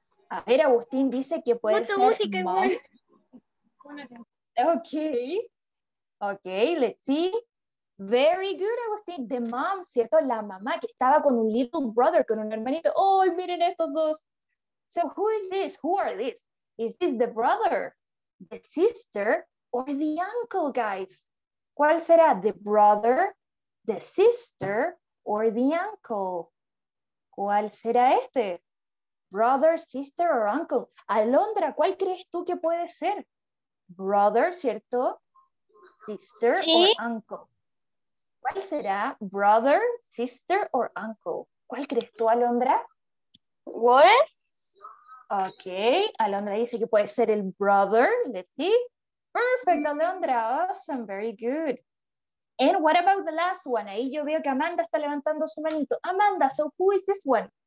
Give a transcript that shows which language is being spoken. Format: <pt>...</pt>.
<es>A ver, Agustín dice que puede ser música, mom. Bueno.</es> <en>Ok, let's see. Very good, Agustín. The mom,</en> <es>¿cierto? La mamá que estaba con un</es> <en>little brother,</en> <es>con un hermanito. ¡Oh, miren estos dos!</es> <en>So who is this? Who are these? Is this the brother, the sister, or the uncle, guys?</en> <es>¿Cuál será?</es> <en>¿The brother, the sister, or the uncle?</en> <es>¿Cuál será este?</es> <en>Brother, sister, or uncle?</en> <es>Alondra, ¿cuál crees tú que puede ser?</es> <en>Brother,</en> <es>¿cierto?</es> <en>Sister,</en> <es>¿sí?</es> <en>Or uncle.</en> <es>¿Cuál será?</es> <en>Brother, sister, or uncle?</en> <es>¿Cuál crees tú, Alondra?</es> <en>What?</en> <es>Ok, Alondra dice que puede ser el brother,</es> <en>let's see. Perfect, Alondra, awesome, very good. And what about the last one?</en> <es>Ahí yo veo que Amanda está levantando su manito. Amanda,</es> <en>so who is this one?</en>